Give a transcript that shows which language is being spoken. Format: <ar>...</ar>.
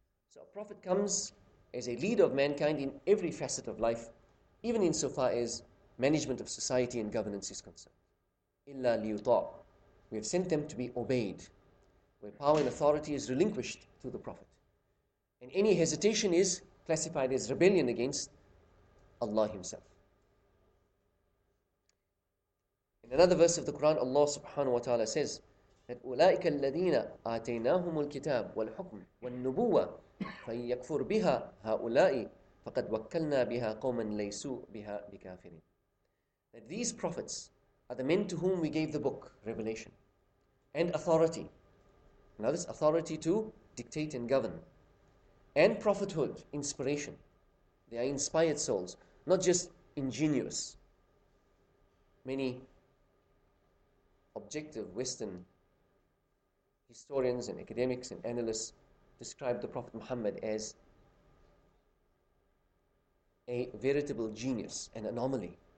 <en>So a prophet comes as a leader of mankind in every facet of life, even insofar as management of society and governance is concerned.</en> <ar>إِلَّا لِيُطَعْ.</ar> <en>We have sent them to be obeyed, where power and authority is relinquished to the prophet. And any hesitation is classified as rebellion against Allah himself. In another verse of the Quran, Allah subhanahu wa ta'ala says that</en> <ar>أُولَٰئِكَ الَّذِينَ آتَيْنَاهُمُ الْكِتَابُ وَالْحُكْمُ وَالنُّبُوَّةِ فَيَكْفُرْ بِهَا هَؤُلَاءِ فَقَدْ وَكَّلْنَا بِهَا قَوْمًا لَيْسُوا بِهَا بِكَافِرِينَ.</ar> <en>That these prophets are the men to whom we gave the book, revelation, and authority. Now this authority to dictate and govern. And prophethood, inspiration. They are inspired souls, not just ingenious. Many objective Western historians and academics and analysts describe the Prophet Muhammad as a veritable genius, an anomaly.</en>